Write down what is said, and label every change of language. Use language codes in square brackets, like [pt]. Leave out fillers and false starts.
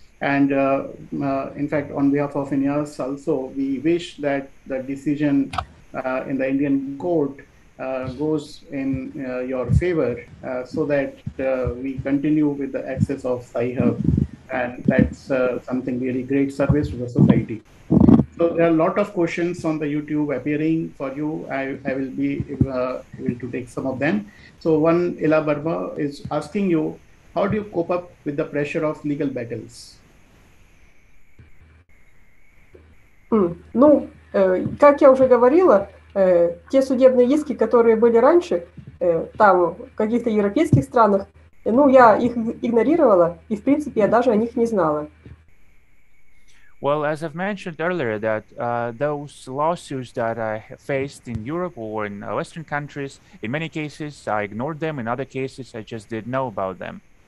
[en] And in fact, on behalf of INYAS also, we wish that the decision in the Indian court goes in your favor, so that we continue with the access of Sci-Hub, and that's something really great service to the society. So there are a lot of questions on the YouTube appearing for you. I will be able to take some of them. So one, Ila Barba is asking you, how do you cope up with the pressure of legal battles? [ru] Ну, как я уже говорила, те судебные иски, которые были раньше, там, в каких-то европейских странах, ну, я их игнорировала, и, в принципе, я даже о них не знала. [en] Well, as I've mentioned earlier, that those lawsuits that I faced in Europe or in Western countries, in many cases, I ignored them. In other cases, I just didn't know about them.